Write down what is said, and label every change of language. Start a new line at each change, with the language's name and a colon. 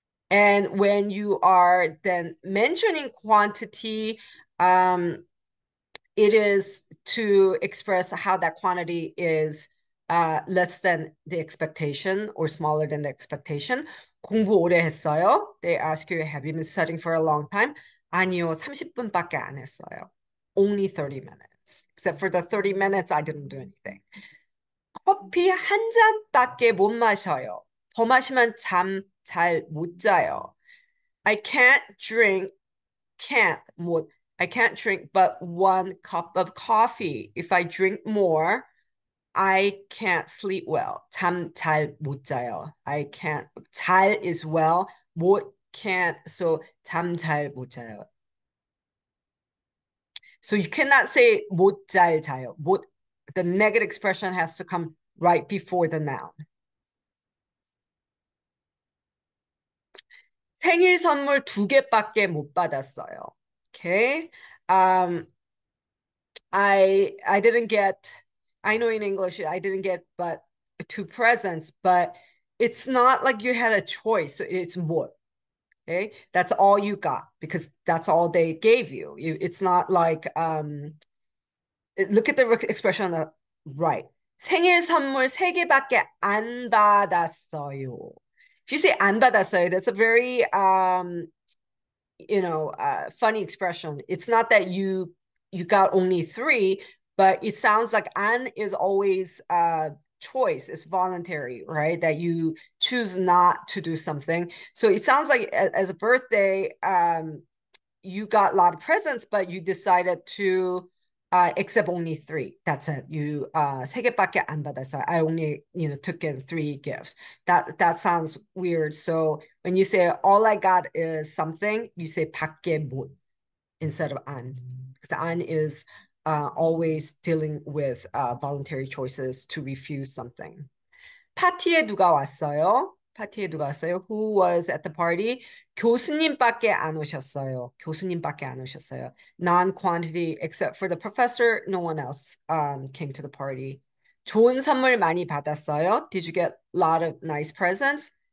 English: And when you are then mentioning quantity, it is to express how that quantity is less than the expectation or smaller than the expectation.
Korean: 공부 오래 했어요?
English: They ask you, have you been studying for a long time?
Korean: 아니요, 30분밖에 안 했어요.
English: Only 30 minutes. Except for the 30 minutes, I didn't do anything.
Korean: 커피 한 잔밖에 못 마셔요. 더 마시면 잠잘못 자요.
English: I can't drink but one cup of coffee. If I drink more, I can't sleep well.
Korean: 잠잘못 자요.
English: I can't. 잘 is well.
Korean: 못 can't. So 잠잘못 자요.
English: So you cannot say
Korean: 못잘 자요.
English: 못, the negative expression has to come right before the noun.
Korean: 생일 선물 두 개밖에 못 받았어요.
English: Okay. I didn't get, I know in English, I didn't get but two presents, but it's not like you had a choice. So it's 못. Okay. That's all you got because that's all they gave you. It's not like, look at the expression on the right.
Korean: 생일 선물 세 개밖에 안 받았어요.
English: If you say 안 받았어요, that's a very, you know, funny expression. It's not that you got only three, but it sounds like 안 is always a choice. It's voluntary, right? That you choose not to do something. So it sounds like as a birthday, you got a lot of presents, but you decided to accept only three. That's it. You
Korean: 세 개밖에 안 받았어.
English: I only, you know, took in three gifts. That sounds weird. So when you say all I got is something, you say 밖에 못 instead of 안. Because 안 is always dealing with voluntary choices to refuse something.
Korean: 파티에 누가 왔어요? 파티에 누가 왔어요?
English: Who was at the party?
Korean: 교수님밖에 안 오셨어요. 교수님밖에 안 오셨어요.
English: Non-quantity, except for the professor, no one else came to the party.
Korean: 좋은 선물 많이 받았어요?
English: Did you get a lot of nice presents?